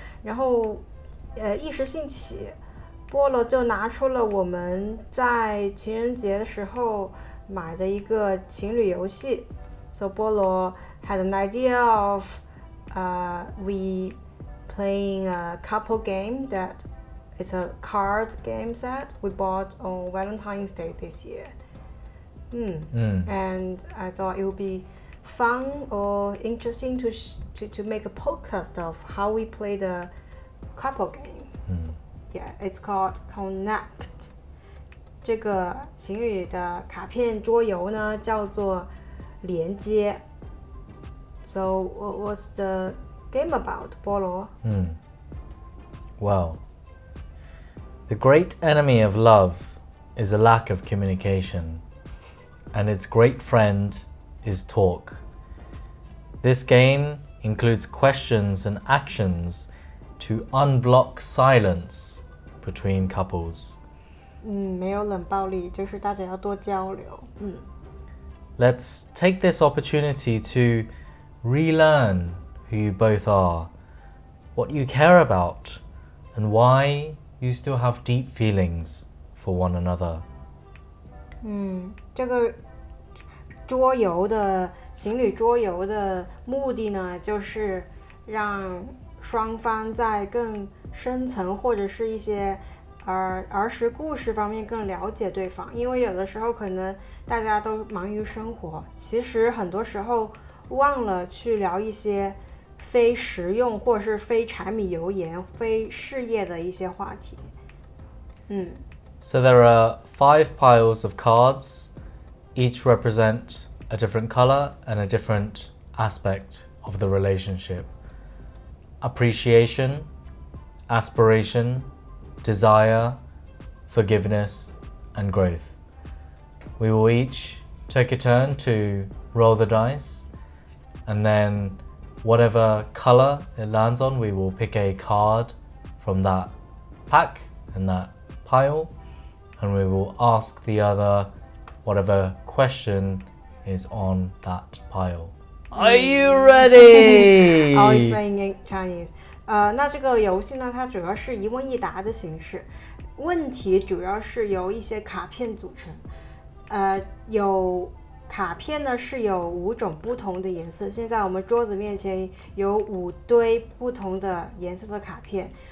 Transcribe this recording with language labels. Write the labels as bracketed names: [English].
[Chinese] 然后一时兴起，菠萝就拿出了我们在情人节的时候买的一个情侣游戏。 [English] So 菠萝 had an idea of we playing a couple game that it's a card game set we bought on Valentine's Day this year. And I thought it would be fun or interesting to make a podcast of how we play the couple game. Yeah, it's called Connect. [Chinese] 这个情侣的卡片桌游呢叫做连接。 [English] So what's the game about, 菠萝？ Well, the great enemy of love is a lack of communication, and its great friend is talk. This game includes questions and actionsTo unblock silence between couples. [Chinese] 没有冷暴力，就是大家要多交流。 [English] Let's take this opportunity to relearn who you both are, what you care about, and why you still have deep feelings for one another. [Chinese] 这个桌游的情侣桌游的目的呢，就是让双方在更深层或者是一些儿时故事方面更了解对方，因为有的时候可能大家都忙于生活，其实很多时候忘了去聊一些非实用或是非柴米油盐非事业的一些话题。 [English] So there are 5 piles of cards, each represent a different color and a different aspect of the relationshipAppreciation, aspiration, desire, forgiveness, and growth. We will each take a turn to roll the dice, and then whatever color it lands on, we will pick a card from that pack and that pile, and we will ask the other whatever question is on that pile. Are you ready? I'll explain in Chinese. [Chinese] 那这个游戏呢，它主要是一问一答的形式。问题主要是由一些卡片组成。有卡片呢是有五种不同的颜色。现在我们桌子面前有五堆不同的颜色的卡片。